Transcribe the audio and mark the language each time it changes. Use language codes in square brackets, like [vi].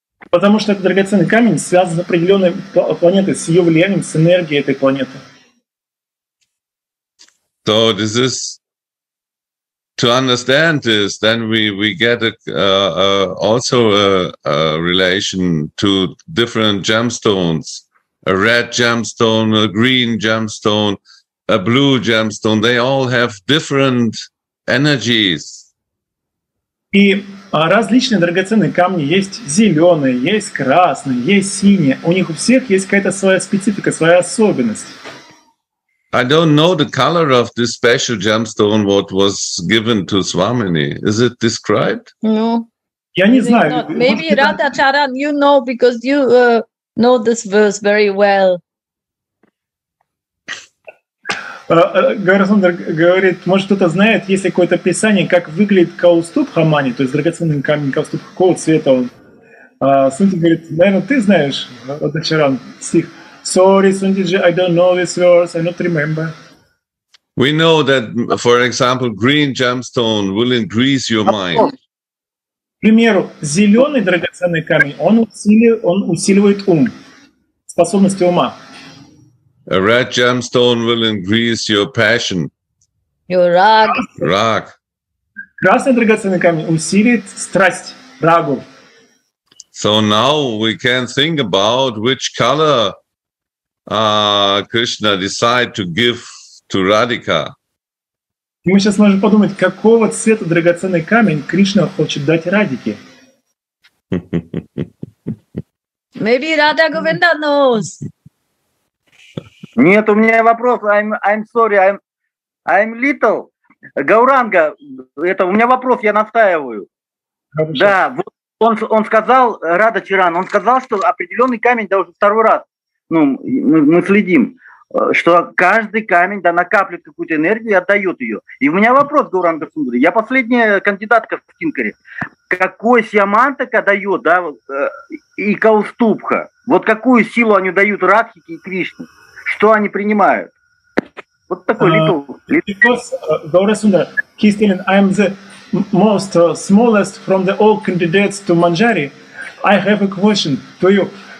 [ru] Потому что этот драгоценный камень связан с определенной планетой, с ее влиянием, с энергией этой планеты. [en] So this is to understand this, then we get a relation to different gemstones, a red gemstone, a green gemstone, a blue gemstone. They all have different energies. [ru] И различные драгоценные камни есть зеленые, есть красные, есть синие. У них у всех есть какая-то своя специфика, своя особенность. [en] I don't know the color of this special gemstone what was given to Swamini. Is it described? No. [ru] Я не знаю. [en] Maybe Radha Charan, you know, because you know this verse very well. [ru] Гарасандр говорит, может кто-то знает, есть ли какое-то описание, как выглядит Каустуб Хамани, то есть драгоценный камень Каустуб, какого цвета он? Сунди говорит, наверное, ты знаешь, Адачаран, стих. [en] Sorry, Сундиджи, I don't know this verse, I don't remember. We know that, for example, green gemstone will increase your mind. [ru] К примеру, зеленый драгоценный камень, он усиливает ум, способности ума. [en] A red gemstone will increase your passion. Your rag. Rag. [ru] Красный драгоценный камень усилит страсть, рагу. [en] So now we can think about which color Krishna decide to give to Radhika. [ru] И мы сейчас можем подумать, какого цвета драгоценный камень Кришна хочет дать Радике. [en] Maybe Radha Govinda knows. [ru] Нет, у меня вопрос. [en] I'm little. [ru] Гауранга, это у меня вопрос, я настаиваю. Хорошо. Да, вот он сказал, Радха Чаран, он сказал, что определенный камень, да уже второй раз, ну, мы следим, что каждый камень, да, накапливает какую-то энергию и отдает ее. И у меня вопрос, Гауранга Сундари, я последняя кандидатка в Тинкере. Какой Сиамантака дает, да, и Каустубха? Вот какую силу они дают Радхике и Кришне? Что они принимают? Вот такой little. [en] Because Gaurasundara, he's telling, I'm the most smallest from the all candidates to Manjari. I have a question to you.